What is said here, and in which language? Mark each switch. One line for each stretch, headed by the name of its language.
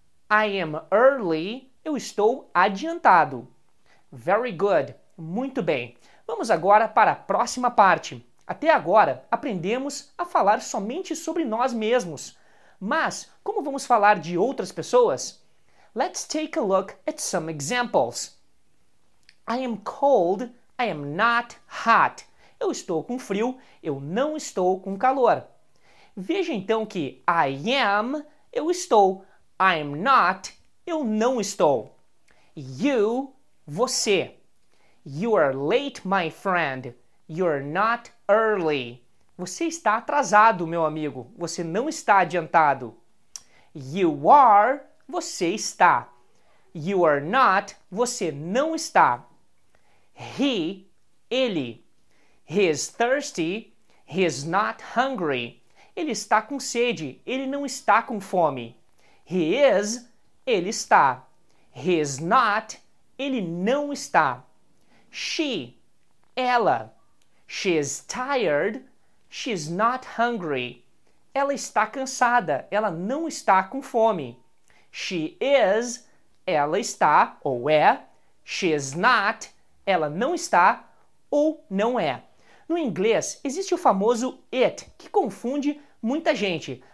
English: I am early,
Portuguese: eu estou adiantado.
English: Very good,
Portuguese: muito bem. Vamos agora para a próxima parte. Até agora, aprendemos a falar somente sobre nós mesmos. Mas, como vamos falar de outras pessoas?
English: Let's take a look at some examples. I am cold, I am not hot.
Portuguese: Eu estou com frio, eu não estou com calor. Veja então que
English: I am,
Portuguese: eu estou.
English: I'm not,
Portuguese: eu não estou. You, você.
English: You are late, my friend. You're not early.
Portuguese: Você está atrasado, meu amigo. Você não está adiantado.
English: You are,
Portuguese: você está.
English: You are not,
Portuguese: você não está.
English: He, ele. He is thirsty, he is not hungry.
Portuguese: Ele está com sede, ele não está com fome.
English: He is,
Portuguese: ele está.
English: He is not,
Portuguese: ele não está.
English: She, ela. She is tired, she is not hungry.
Portuguese: Ela está cansada, ela não está com fome.
English: She is,
Portuguese: ela está ou é.
English: She is not,
Portuguese: ela não está ou não é. No inglês, existe o famoso it, que confunde muita gente.